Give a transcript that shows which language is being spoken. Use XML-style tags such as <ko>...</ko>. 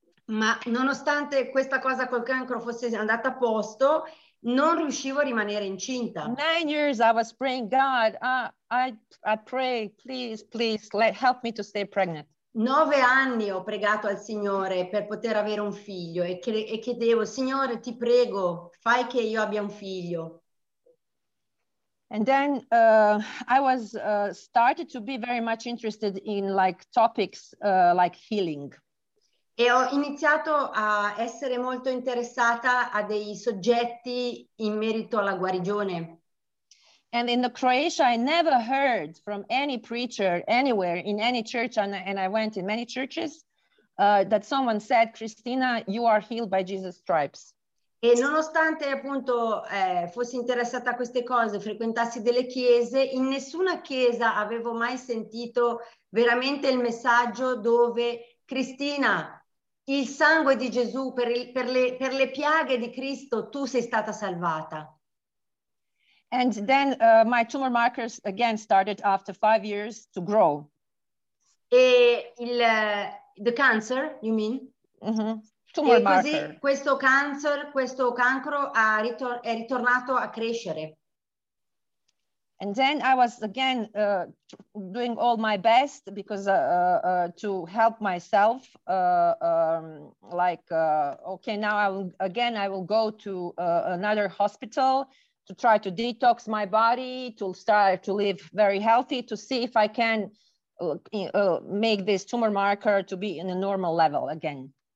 <it>Ma nonostante questa cosa col cancro fosse andata a posto, non riuscivo a rimanere incinta.</it> <en>9 years I was praying, God, I pray, please help me to stay pregnant.</en> <it>9 anni ho pregato al Signore per poter avere un figlio e chiedevo, Signore, ti prego, fai che io abbia un figlio.</it> <en>And then I was started to be very much interested in like topics like healing.</en> <it>E ho iniziato a essere molto interessata a dei soggetti in merito alla guarigione.</it> <en>And in the Croatia I never heard from any preacher anywhere in any church, and I went in many churches that someone said, Christina, you are healed by Jesus' stripes.</en> <it>E nonostante appunto fossi interessata a queste cose, frequentassi delle chiese, in nessuna chiesa avevo mai sentito veramente il messaggio dove Cristina, il sangue di Gesù, per le piaghe di Cristo, tu sei stata salvata.</it> <en>And then my tumor markers again started after 5 years to grow.</en> <it>E il</it> <en>the cancer, you mean? Mm-hmm.</en> <it>Tumor marker. E così questo cancro è ritornato a crescere.</it> <en>And then I was again doing all my best because to help myself, okay, now I will go to another hospital to try to detox my body, to start to live very healthy, to see if I can make this tumor marker to be in a normal level again.</en>